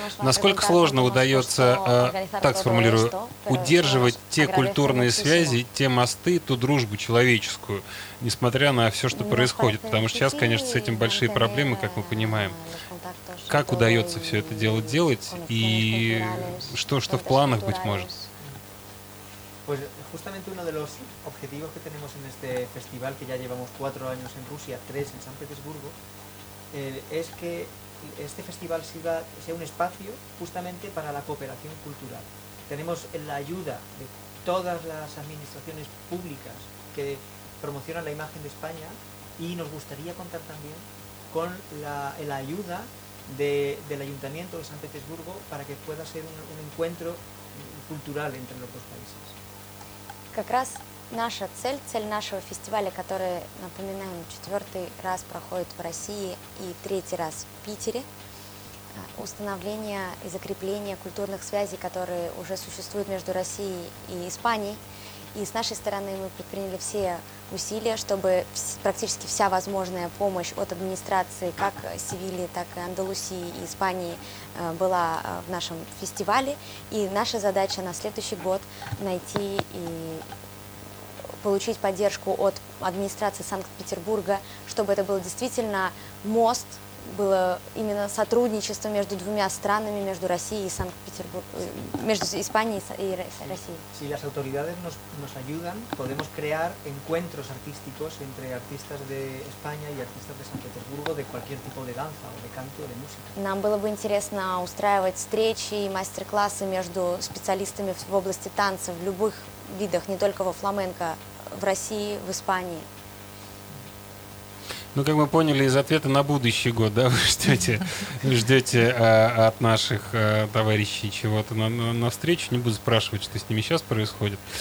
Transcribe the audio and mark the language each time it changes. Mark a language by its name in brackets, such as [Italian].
[Russian] Насколько сложно удается, так сформулирую, удерживать те культурные связи, те мосты, ту дружбу человеческую, несмотря на все, что происходит. Потому что сейчас, конечно, с этим большие проблемы, как мы понимаем. Как удается все это дело делать и что в планах быть может? [Spanish] Pues justamente uno de los objetivos que tenemos en este festival, que ya llevamos 4 años en Rusia, 3 en San Petersburgo, es que este festival sea un espacio justamente para la cooperación cultural. Tenemos la ayuda de todas las administraciones públicas que promocionan la imagen de España y nos gustaría contar también con la ayuda del Ayuntamiento de San Petersburgo para que pueda ser un encuentro cultural entre los dos países. [Russian] Как раз наша цель нашего фестиваля, который, напоминаем, 4-й раз проходит в России и 3-й раз в Питере, установление и закрепление культурных связей, которые уже существуют между Россией и Испанией. И с нашей стороны мы предприняли все усилия, чтобы практически вся возможная помощь от администрации, как Севильи, так и Андалусии и Испании, была в нашем фестивале. И наша задача на следующий год найти и получить поддержку от администрации Санкт-Петербурга, чтобы это был действительно мост, было именно сотрудничество между двумя странами, между Россией и Санкт-Петербургом, между Испанией и Россией. [Spanish] Si las autoridades nos ayudan, podemos crear encuentros artísticos entre artistas de España y artistas de Санкт-Петербурга de cualquier tipo de danza, de canto, de música. [Russian] Нам было бы интересно устраивать встречи и мастер-классы между специалистами в области танца в любых видах, не только во фламенко, в России, в Испании. Ну, как мы поняли из ответа на будущий год, да, вы ждете от наших товарищей чего-то на встречу, не буду спрашивать, что с ними сейчас происходит.